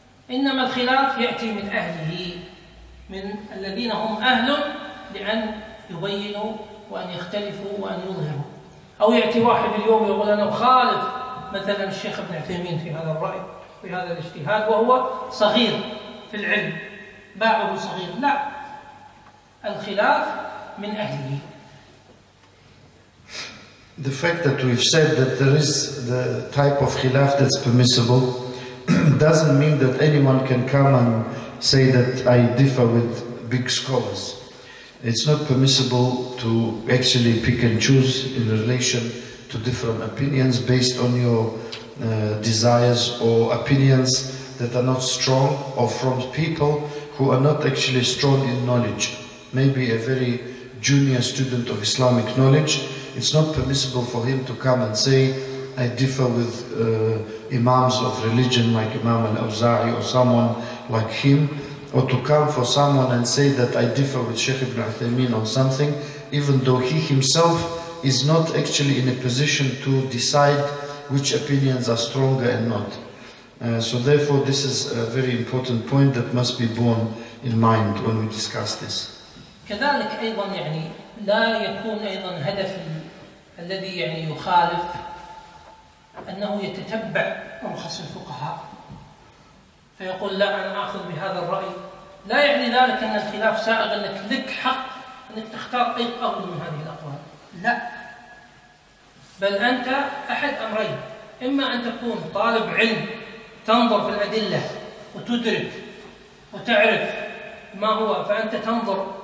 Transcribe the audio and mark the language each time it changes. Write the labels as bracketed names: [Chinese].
[Arabic] إنما الخلاف يأتي من أهله من الذين هم أهل لأن يبينوا وأن يختلفوا وأن يظهروا أو يأتي واحد اليوم يقول أنا أخالف مثلا الشيخ ابن عثيمين في هذا الرأي في هذا الاجتهاد وهو صغير في العلم باعه صغير لا الخلاف من أهله. [English] The fact that we've said that there is the type of khilaf that's permissible doesn't mean that anyone can come and say that I differ with big scholars. It's not permissible to actually pick and choose in relation to different opinions based on your desires or opinions that are not strong or from people who are not actually strong in knowledge. Maybe a very junior student of Islamic knowledge, it's not permissible for him to come and say, I differ with imams of religion like Imam al-Awza'i or someone like him, or to come for someone and say that I differ with Sheikh ibn Uthaymeen on something, even though he himself is not actually in a position to decide which opinions are stronger and not. So therefore, this is a very important point that must be borne in mind when we discuss this. [Arabic] كذلك أيضا يعني لا يكون أيضا هدف الذي يعني يخالف أنه يتتبع رخص الفقهاء فيقول لا أنا آخذ بهذا الرأي لا يعني ذلك أن الخلاف سائغ أنك لك حق أنك تختار أي قول من هذه الأقوال لا بل أنت أحد أمرين إما أن تكون طالب علم تنظر في الأدلة وتدرك وتعرف ما هو فأنت تنظر